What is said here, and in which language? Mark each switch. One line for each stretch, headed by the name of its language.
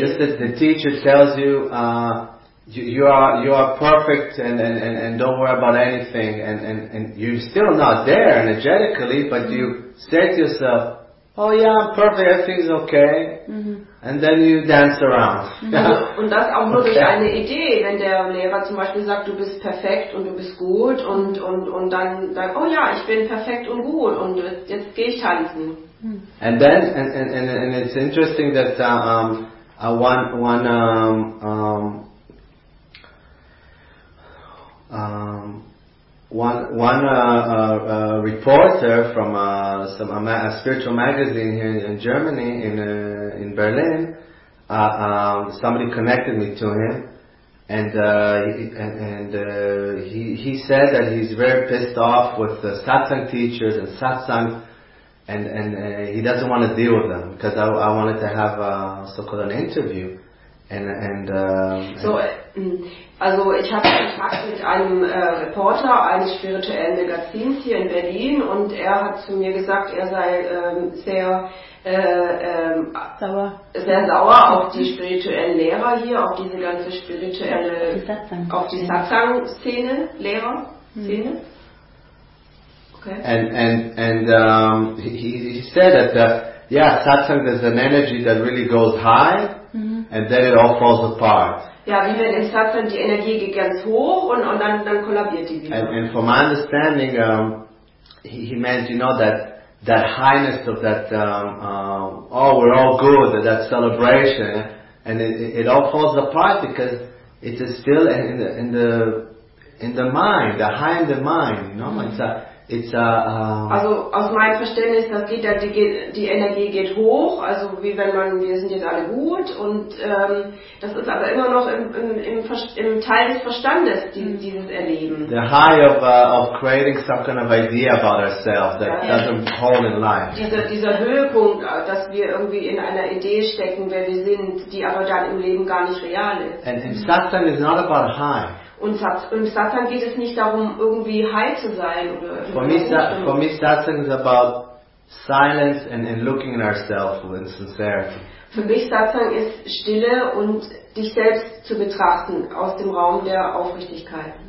English: Just that the teacher tells you, you are perfect and don't worry about anything and you're still not there energetically, but you say to yourself, oh yeah, I'm perfect, everything's okay, and then you dance around.
German: Und das auch nur durch eine Idee, wenn der Lehrer zum Beispiel sagt, du bist perfekt und du bist gut und dann sagt, oh ja, ich bin perfekt und gut und jetzt gehe ich tanzen.
English: And then and it's interesting that one reporter from a spiritual magazine here in Germany in Berlin, somebody connected me to him, and he said that he's very pissed off with the satsang teachers and satsang. And he doesn't want to deal with them because I wanted to have a so-called an interview
German: Also ich hatte Kontakt mit einem Reporter eines spirituellen Magazins hier in Berlin und er hat zu mir gesagt, er sei sehr sauer auf die spirituellen Lehrer hier, auf diese ganze spirituelle Satsang-Szene.
English: Okay. And he said that satsang is an energy that really goes high and then it all falls apart.
German: Ja, wie wenn im Satsang die Energie geht ganz hoch und dann kollabiert die wieder.
English: And from my understanding, he meant, you know, that highness of that we're all good, that celebration, and it all falls apart because it is still in the mind, the high in the mind, you know,
German: Also aus meinem Verständnis, die Energie geht hoch, also wie wenn man, wir sind jetzt alle gut und das ist aber immer noch im Teil des Verstandes, dieses Erleben.
English: The high of creating some kind of idea about ourselves that doesn't hold in life.
German: Dieser Höhepunkt, dass wir irgendwie in einer Idee stecken, wer wir sind, die aber dann im Leben gar nicht real ist.
English: And Satsang is not about high.
German: Und im Satsang geht es nicht darum, irgendwie high zu sein.
English: For me, Satsang is about silence and looking at ourselves with sincerity.
German: Für mich Satsang ist Stille und dich selbst zu betrachten aus dem Raum der Aufrichtigkeit.